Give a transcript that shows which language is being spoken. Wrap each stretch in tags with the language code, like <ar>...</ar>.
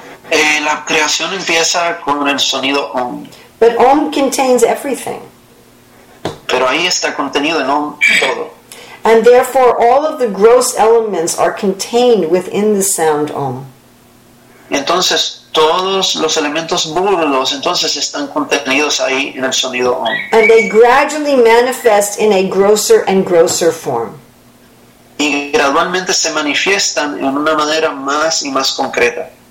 <es>La creación empieza con el sonido Om.</es> <en>But Om contains everything.</en> <es>Pero ahí está contenido en Om todo.</es> <en>And therefore all of the gross elements are contained within the sound Om.</en> <es>Entonces todos los elementos burdos entonces están contenidos ahí en el sonido Om.</es> <en>And they gradually manifest in a grosser and grosser form.</en> <es>Y gradualmente se manifiestan en una manera más y más concreta.</es>